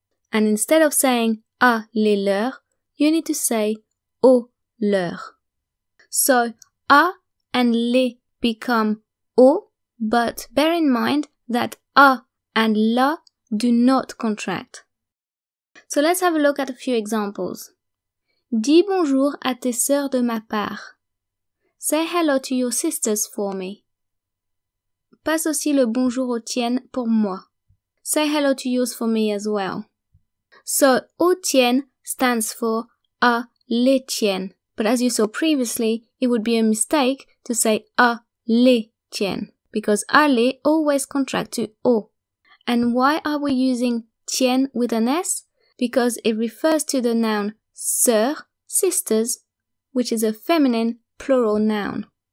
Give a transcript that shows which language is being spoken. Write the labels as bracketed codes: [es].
[en] And instead of saying [fr] à les leurs, [en] you need to say [fr] aux leurs. [en] So, à and les become au, but bear in mind that à and la do not contract. So let's have a look at a few examples. [fr] Dis bonjour à tes sœurs de ma part. [en] Say hello to your sisters for me. [fr] Passe aussi le bonjour aux tiennes pour moi. [en] Say hello to yours for me as well. So, aux tiennes stands for [fr] à les tiennes. [en] But as you saw previously, it would be a mistake to say [fr] à les tiennes, [en] because à les always contract to au. And why are we using tiennes with an S? Because it refers to the noun sœurs, sisters, which is a feminine plural noun.